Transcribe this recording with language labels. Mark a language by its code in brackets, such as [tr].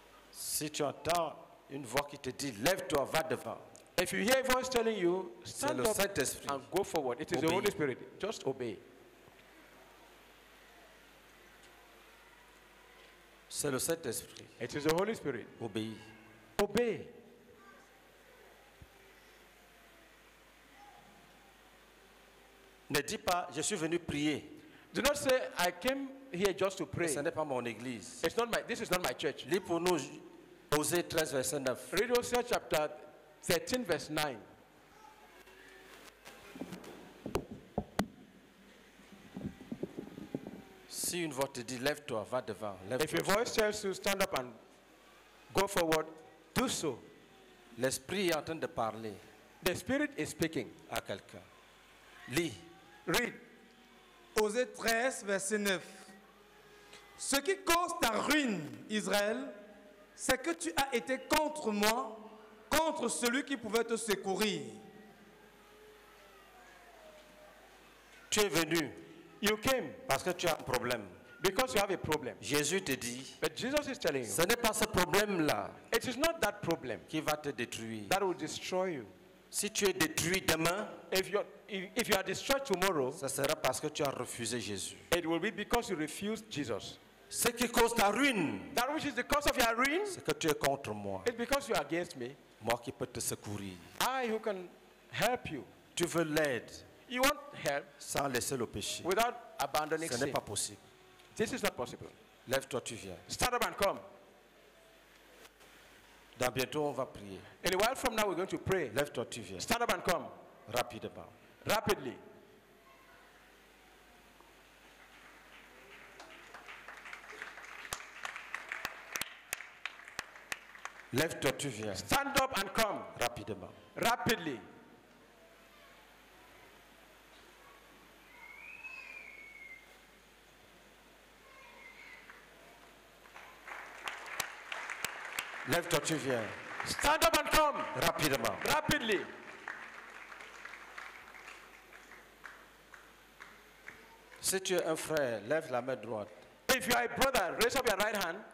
[fr] Si tu entends une voix qui te dit, lève-toi, va devant. [en] If you hear a voice telling you, stand up and go forward. It is [fr] obéis. [en] The Holy Spirit. Just obey. [fr] C'est le Saint-Esprit. [en] It is the Holy Spirit. [fr] Obéis. [en] Obey. [fr] Ne dis pas, je suis venu prier. [en] Do not say, I came here just to pray. [fr] Ce n'est pas mon église. [en] It's not my, this is not my church. [fr] Lis pour nous, Osée 13, verset 9. [en] Read Osée chapter 13, verse 9. [fr] Si une voix te dit lève-toi, va devant. Lève-toi. [en] If your voice tells you stand up and go forward, do so. [fr] L'esprit est en train de parler. [en] The spirit is speaking. [fr] À quelqu'un. Lis. [en] Read. Osée 13, verset 9. [fr] Ce qui cause ta ruine, Israël, c'est que tu as été contre moi, contre celui qui pouvait te secourir. Tu es venu. [en] You came [fr] parce que tu as un problème. [en] Because you have a problem. [fr] Jésus te dit. [en] But Jesus is telling you. [fr] Ce n'est pas ce problème là. [en] It is not that problem. [fr] Qui va te détruire. [en] That will destroy you. [fr] Si tu es détruit demain, [en] if you are destroyed tomorrow, [fr] ça sera parce que tu as refusé Jésus. [en] It will be because you refused Jesus. [fr] Ce qui cause ta ruine. [en] That which is the cause of your ruin. [fr] C'est que tu es contre moi. [en] It's because you are against me. [fr] Moi qui peux te secourir. [en] I who can help you. [fr] Tu veux l'aide. [en] You want help [fr] sans laisser le péché. [en] Without abandoning [fr] sin. Ce n'est pas possible. [en] This is not possible. [fr] Lève-toi, tu viens. [en] Stand up and come. [fr] Dans bientôt, on va prier. [en] In a while from now, we're going to pray. [fr] Lève-toi, tu viens. [en] Stand up and come. [fr] Rapidement. [en] Rapidly. [fr] Lève-toi, tu viens. [en] Stand up and come. [fr] Rapidement. [en] Rapidly. [fr] Lève-toi, tu viens. [en] Stand up and come. [fr] Rapidement. [en] Rapidly. [fr] Si tu es un frère, lève la main droite. [en] If you are a brother, raise up your right hand.